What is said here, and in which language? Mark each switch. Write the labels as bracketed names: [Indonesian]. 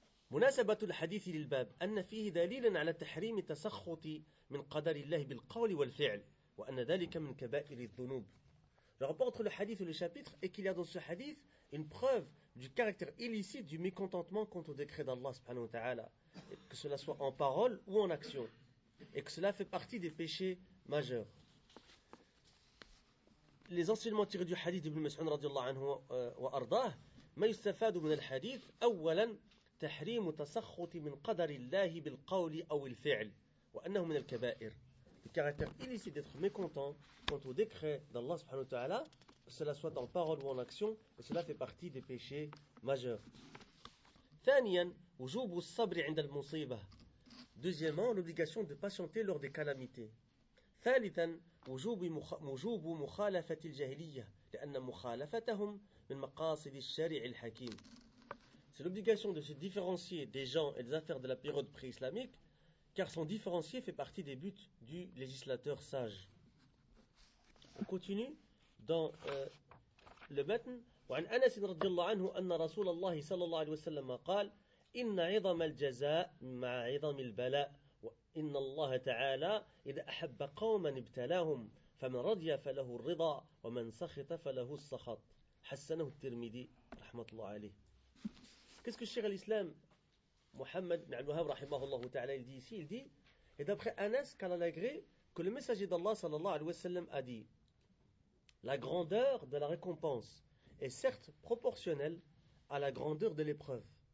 [Arabic] مناسبة الحديث للباب أن فيه دليلا على تحريم التسخط من قدر الله بالقول والفعل وأن ذلك من كبائر الذنوب. [French] Le rapport entre le hadith et le chapitre est qu'il y a dans ce hadith une preuve du caractère illicite du mécontentement contre le décret d'Allah subhanahu wa ta'ala, que cela soit en parole ou en action, et que cela fait partie des péchés majeurs. Les enseignements tirés du hadith [Arabic] d'Ibn Mas'ud radiallahu anhu wa ardah, ma yustafadu min al-hadith, awalan, تحريم تسخط من قدر الله بالقول أو الفعل وأنه من الكبائر. [French] Le caractère illicite d'être mécontent quant au décret d'Allah subhanahu wa ta'ala, que cela soit en parole ou en action, que cela fait partie des péchés majeurs. [Arabic] ثانيا وجوب الصبر عند المصيبة. [French] Deuxièmement, l'obligation de patienter lors des calamités. [Arabic] ثالثا وجوب مخالفة الجاهلية لأن مخالفتهم من مقاصد الشرع الحكيم. [French] C'est l'obligation de se différencier des gens et des affaires de la période pré-islamique, car son différencier fait partie des buts du législateur sage. On continue dans le matn. [Arabic] وعن أنس رضي الله عنه أن رسول الله صلى الله عليه وسلم قال إن عظم الجزاء مع عظم البلاء وإن الله تعالى إذا أحب قوما ابتلاهم فمن رضي فله الرضا ومن سخط فله السخط. حسنه الترمذي رحمة الله عليه. [French] Qu'est-ce que Cheikh al-Islam Mohammed ibn al-Wahhab rahimahullahu ta'ala il dit ici, il dit, et d'après Anas, qu'Allah l'agré, que le messager d'Allah sallallahu alayhi wa sallam a dit, la grandeur de la récompense est certes proportionnelle à la grandeur de l'épreuve.